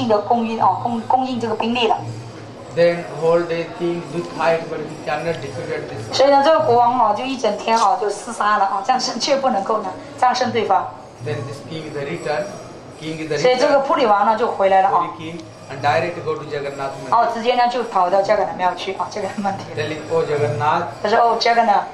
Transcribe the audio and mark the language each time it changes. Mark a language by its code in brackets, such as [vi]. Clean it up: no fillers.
[zh] 也是呢，威力法力无穷的哦。他说呢，据说呢，这个军队里面死去的哦，这个士兵啊，他都可以重新让他哦，就重新啊，又生出了很多，就无穷无尽的供应哦，供应这个兵力了。 [en] Then whole day king be tired, but he cannot defeat this. [zh] 所以呢，这个国王哦，就一整天哦，就厮杀了哦，战胜却不能够呢，战胜对方。 [en] Then this king is returned. King is returned. [zh] 所以这个普里王呢，就回来了哦。 [en] And directly go to Jagannath Mandir. [zh] Oh, 直接呢就跑到Jagannath庙去。 [en] Oh, Jagannath. [zh] 他说, oh, Jagannath.